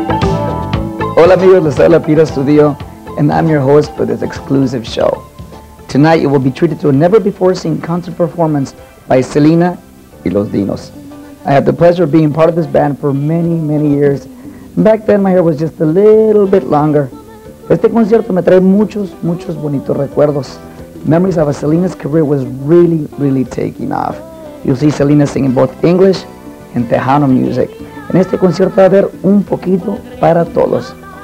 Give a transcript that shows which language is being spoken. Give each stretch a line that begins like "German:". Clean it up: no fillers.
English: Hola, Peter Studio, and I'm your host for this exclusive show. Tonight, you will be treated to a never-before-seen concert performance by Selena y los Dinos. I had the pleasure of being part of this band for many, many years. Back then, my hair was just a little bit longer.
Spanish: Este concierto me trae muchos, muchos bonitos recuerdos.
English: Memories of a Selena's career was really, really taking off. You'll see Selena singing both English and Tejano music.
Spanish: En este concierto va a haber un poquito para todos.